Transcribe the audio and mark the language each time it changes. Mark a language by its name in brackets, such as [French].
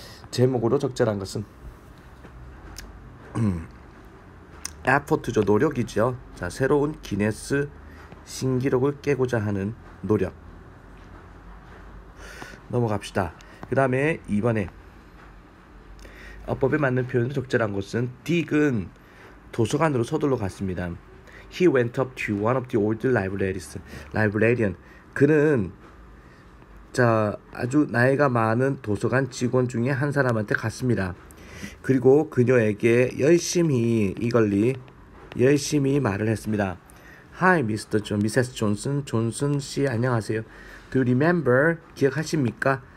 [Korean] 제목으로 적절한 것은 effort죠. 노력이죠. 자 새로운 기네스 신기록을 깨고자 하는 노력. 넘어갑시다. 그 다음에 2번에 어법에 맞는 표현으로 적절한 것은 dig은 도서관으로 서둘러 갔습니다. [English] He went up to one of the old libraries. Librarian. [Korean] 그는 자 아주 나이가 많은 도서관 직원 중에 한 사람한테 갔습니다. 그리고 그녀에게 열심히 이걸리 열심히 말을 했습니다. [English] Hi, Mr. John, Mrs. Johnson. [Korean] 존슨 씨, 안녕하세요. [English] Do you remember? [Korean] 기억하십니까?